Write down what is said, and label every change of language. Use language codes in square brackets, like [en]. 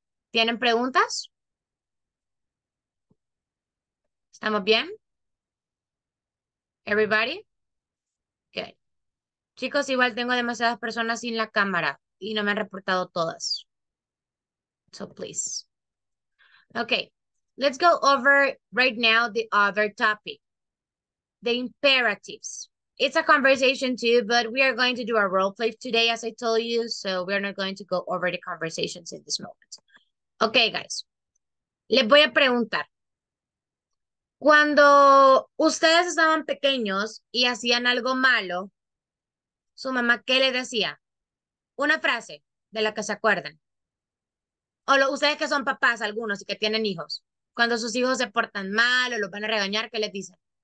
[es] ¿Tienen preguntas? ¿Estamos bien? [en] Everybody? Good. [es] Chicos, igual tengo demasiadas personas sin la cámara y no me han reportado todas. [en] So please. Okay. Let's go over right now the other topic, the imperatives. It's a conversation too, but we are going to do a role play today, as I told you, so we are not going to go over the conversations in this moment. Okay, guys. [es] Les voy a preguntar. Cuando ustedes estaban pequeños y hacían algo malo, su mamá, ¿qué le decía? Una frase de la que se acuerdan. O lo, ustedes que son papás algunos y que tienen hijos, cuando sus hijos se portan mal o los van a regañar, ¿qué les dicen?